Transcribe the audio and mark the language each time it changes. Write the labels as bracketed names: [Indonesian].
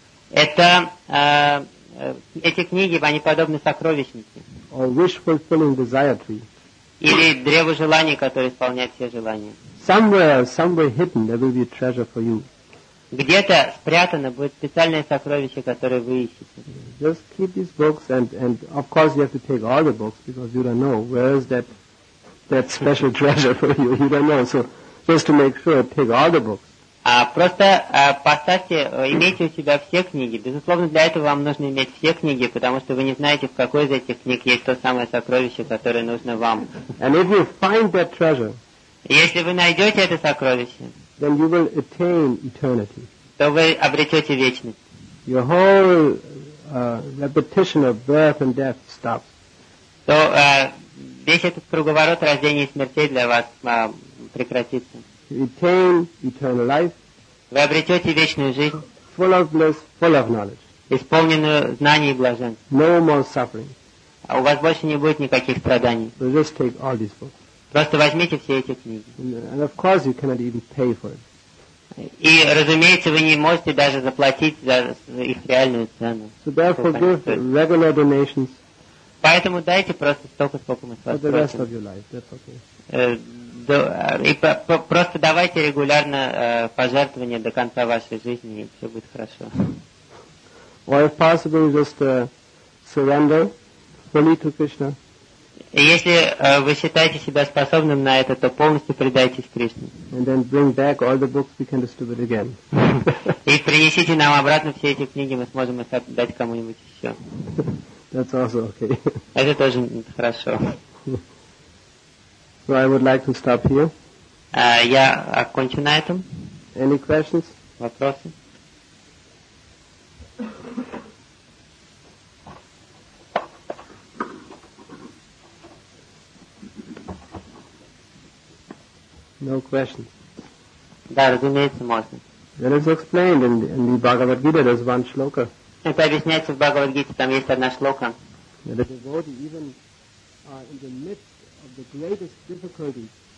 [Russian] Это эти книги, они подобны сокровищнице. [English] Or wish fulfilling desire tree. [Russian] Или древо желаний, которое исполняет все желания. [English] Somewhere hidden, there will be a treasure for you. [Russian] Где-то спрятано будет специальное сокровище, которое вы ищете. [English] Just keep these books, and of course you have to take all the books, because you don't know where is that special treasure for you. You don't know, so just to make sure, take all the books. [Russian] Просто поставьте, имейте у себя все книги. Безусловно, для этого вам нужно иметь все книги, потому что вы не знаете, в какой из этих книг есть то самое сокровище, которое нужно вам. [English] And if you find that treasure, [Russian] если вы найдете это сокровище, [English] then you will attain eternity. [Russian] То вы обретете вечность. [English] Your whole repetition of birth and death stops. [Russian] То весь этот круговорот рождения и смертей для вас прекратится. [English] Retain eternal life. [Russian] Вы обретете вечную жизнь. [English] Full of bliss, full of knowledge. [Russian] Исполненную знаний и блаженств. [English] No more suffering. [Russian] А у вас больше не будет никаких страданий. [English] So just take all these books. [Russian] Просто возьмите все эти книги. [English] And of course you cannot even pay for it. [Russian] И, разумеется, вы не можете даже заплатить за их реальную цену. [English] So therefore give regular donations. [Russian] Поэтому дайте просто столько, сколько мы с вас просим. [English] For the rest of your life, that's okay. [Russian] И просто давайте регулярно пожертвования до конца вашей жизни, и все будет хорошо. [English] Or if possible, just surrender fully to Krishna. [Russian] Если вы считаете себя способным на это, то полностью предайтесь Кришне. [English] And then bring back all the books we can distribute again. [Russian] И принесите нам обратно все эти книги, мы сможем их отдать кому-нибудь еще. [English] That's also okay. [Russian] Это тоже хорошо. [English] So I would like to stop here. [Russian] Я окончу на этом. [English] Any questions? [Russian] Вопросы? [English] No questions. [Russian] Да, разумеется, можно. [English] That is explained in the Bhagavad Gita. There's one shloka. [Russian] Это объясняется в Бхагавад Гите, там есть одна шлока. [English] That a devotee even in the midst of the greatest difficulties.